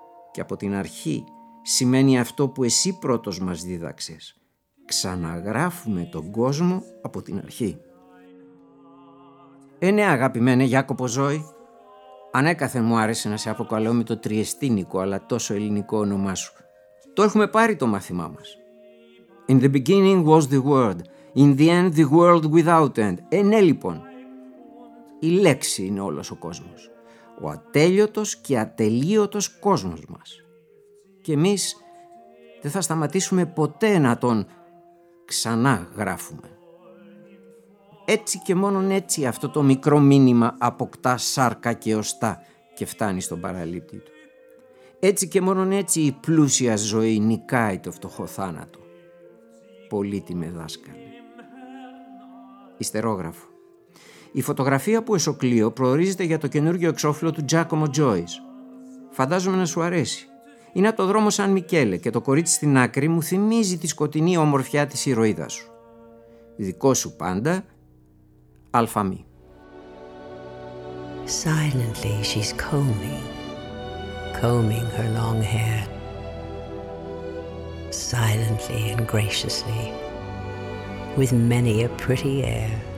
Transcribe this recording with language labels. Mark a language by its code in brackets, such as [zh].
[el] Και από την αρχή σημαίνει αυτό που εσύ πρώτος μας δίδαξες: ξαναγράφουμε τον κόσμο από την αρχή. Ε, ναι, αγαπημένε Ιάκωπο Ζώη. Ανέκαθεν μου άρεσε να σε αποκαλώ με το τριεστίνικο αλλά τόσο ελληνικό όνομά σου. Το έχουμε πάρει το μάθημά μας. [en] In the beginning was the word, in the end the world without end. [el] Ε, ναι λοιπόν, η λέξη είναι όλος ο κόσμος. Ο ατέλειωτος και ατελείωτος κόσμος μας. Και εμείς δεν θα σταματήσουμε ποτέ να τον ξανά γράφουμε. Έτσι και μόνον έτσι αυτό το μικρό μήνυμα αποκτά σάρκα και οστά και φτάνει στον παραλήπτη του. Έτσι και μόνον έτσι η πλούσια ζωή νικάει το φτωχό θάνατο. Πολύτιμε δάσκαλε. Ιστερόγραφο. Η φωτογραφία που εσωκλείω προορίζεται για το καινούργιο εξώφυλλο του Giacomo Joyce. Φαντάζομαι να σου αρέσει. Είναι από το δρόμο Σαν Μικέλε και το κορίτσι στην άκρη μου θυμίζει τη σκοτεινή ομορφιά της ηρωίδας σου. Δικό σου πάντα, Αλφαμή. [en] Silently she's combing, combing her long hair. Silently and graciously, with many a pretty air.